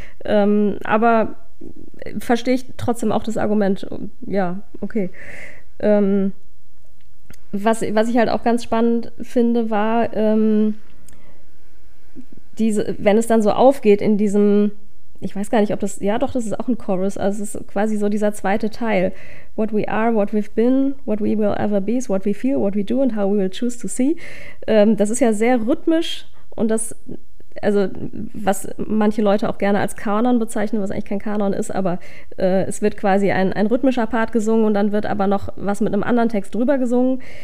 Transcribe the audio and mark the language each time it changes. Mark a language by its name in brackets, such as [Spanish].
[German] Aber verstehe ich trotzdem auch das Argument. Ja, okay. Was ich halt auch ganz spannend finde, war, wenn es dann so aufgeht in diesem, ich weiß gar nicht, ob das, ja doch, das ist auch ein Chorus, also es ist quasi so dieser zweite Teil. [English] What we are, what we've been, what we will ever be, what we feel, what we do and how we will choose to see. [German] Das ist ja sehr rhythmisch und das, also was manche Leute auch gerne als Kanon bezeichnen, was eigentlich kein Kanon ist, aber es wird quasi ein rhythmischer Part gesungen und dann wird aber noch was mit einem anderen Text drüber gesungen.